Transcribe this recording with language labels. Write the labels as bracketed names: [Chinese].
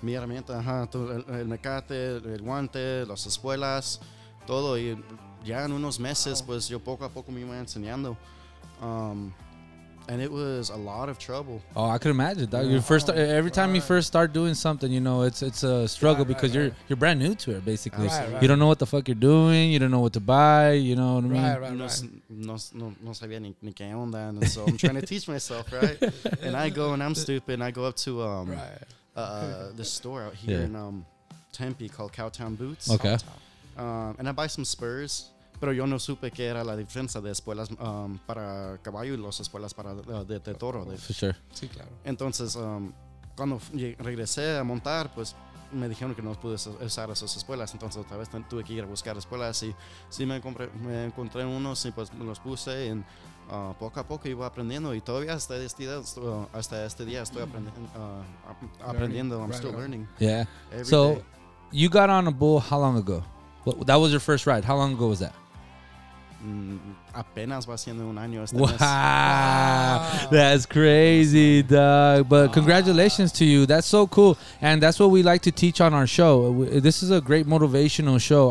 [Spanish] Mi herramienta, ajá, el mecate, el guante, las espuelas, todo. Y ya en unos meses, pues yo poco a poco me iba enseñando. [English] And it was a lot of trouble. Oh, I could imagine that. Yeah. Every time you first start doing something, you know, it's a struggle because you're brand new to it, basically. Right. You don't know what the fuck you're doing. You don't know what to buy. You know what I mean? Right. [Spanish] No sabía ni qué onda. [English] And so I'm trying to teach myself, right? And I go, and I'm stupid, and I go up to the store out here in Tempe called Cowtown Boots. Okay. And I buy some spurs, [Spanish] pero yo no supe que era la diferencia de espuelas para caballo y los espuelas para de toro. [English] For sure. [Spanish] Sí, claro. Entonces, cuando regresé a montar, pues me dijeron que no pude usar esas espuelas. Entonces, otra vez tuve que ir a buscar espuelas y sí me encontré unos y pues me los puse. Y poco a poco iba aprendiendo y todavía hasta este día estoy aprendiendo. [English] Learning. I'm still learning. Yeah. So, you got on a bull how long ago? Well, that was your first ride. How long ago was that? [Spanish] Apenas va siendo un año. [English] Wow. That's crazy, dog. But congratulations to you. That's so cool. And that's what we like to teach on our show. This is a great motivational show.